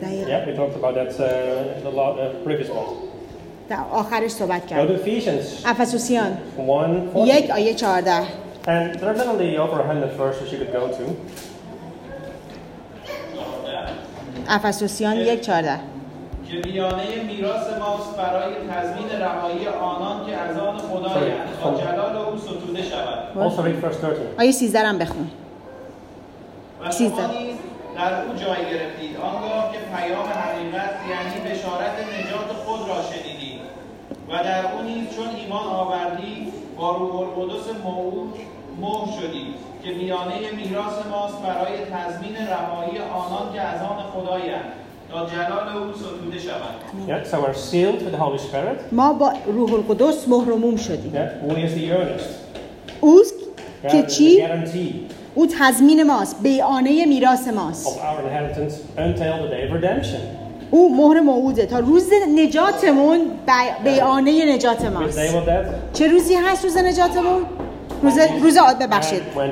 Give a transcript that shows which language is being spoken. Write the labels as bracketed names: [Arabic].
[English] Yeah, we talked about that the previous one. [Persian] در آخرش صحبت کرد. [English] Go to Ephesians. [Persian] افسوسیان. [English] 1:14. [Persian] 1:14. [English] And there are definitely over 100 verses you could go to. [Persian] افسوسیان 1:14. که بیانه میراث ماست برای تضمین رهایی آنان که از آن خدایند تا جلال او ستوده شود. [English] Also read verse 13. [Persian] آیه 13 رو هم بخون. و شما نیز در او جای گرفتید آنگاه که پیام حقیقت یعنی بشارت نجات خود را شنیدید و در او نیز چون ایمان آوردید با روح القدس موعود مهر شدید که میانه میراث ماست برای تضمین رهایی آنان که از آن خدایند تا جلال او ستوده شود. [English] Yeah, so we're sealed with the Holy Spirit. [Persian] ما با روح القدس مهر و موم شدیم. [English] Yeah, who is the earnest? [Persian] اوست که چی؟ او تضمین ماست، بیانه میراث ماست. [English] Of our inheritance until the day of redemption. [Persian] او مهر موعوده تا روز نجاتمون بیانه نجات ماست. [English] Which day was that? [Persian] چه روزی هست روز نجاتمون؟ روز آد ببخشید.